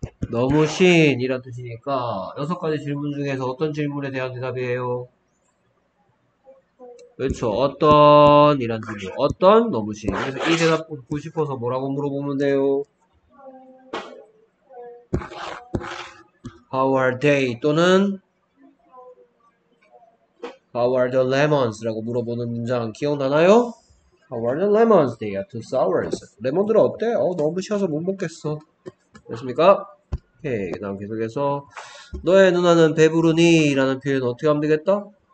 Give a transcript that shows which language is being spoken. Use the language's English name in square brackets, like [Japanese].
[Korean] 너무 신이란 뜻이니까 여섯 가지 질문 중에서 어떤 질문에 대한 대답이에요? 그렇죠. 어떤 이란 뜻이 어떤 너무 신. 그래서 이 대답 듣고 싶어서 뭐라고 물어보면 돼요? [English] How are they? [Korean] 또는 [English] How are the lemons? [Korean] 라고 물어보는 문장 기억나나요? [English] How are the lemons? They are too sour. [Korean] 레몬들은 어때? 너무 시어서 못 먹겠어. 됐습니까? 오케이. 그다음 계속해서 너의 누나는 배부르니? 라는 표현 어떻게 하면 되겠다?